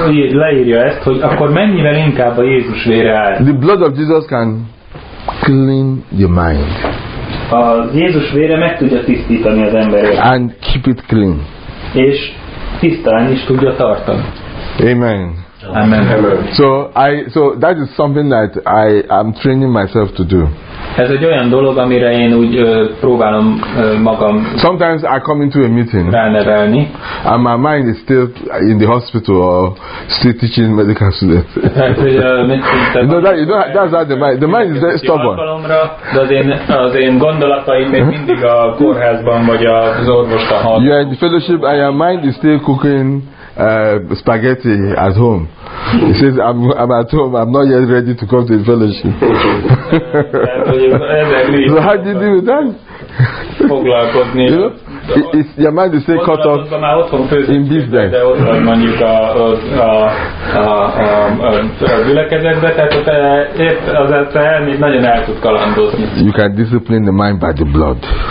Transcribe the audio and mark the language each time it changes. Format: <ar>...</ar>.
<hu>leírja ezt, hogy akkor mennyivel inkább a Jézus vére által.</hu> <en>The blood of Jesus can clean your mind.</en> <hu>A Jézus vére meg tudja tisztítani az emberét.</hu> <en>And keep it clean.</en> <hu>És tisztán is tudja tartani. Amen. Amen.</hu> <en>So that is something that I am training myself to do.</en> <hu>Ez egy olyan dolog, amire én úgy próbálom magam.</hu> <en>Sometimes I come into a meeting.</en> <hu>Ránevelni.</hu> <en>And my mind is still in the hospital or still teaching medical students. that's not the mind is very stubborn.</en> <hu>Az én gondolataim még mindig a kórházban vagy az orvostan hallgatom.</hu> <en>You are in the fellowship and your mind is still cooking spaghetti at home. He says, I'm at home, I'm not yet ready to come to the fellowship. So how do you deal with that? You know, it's your mind is still cut off in business. You can discipline the mind by the blood.</en>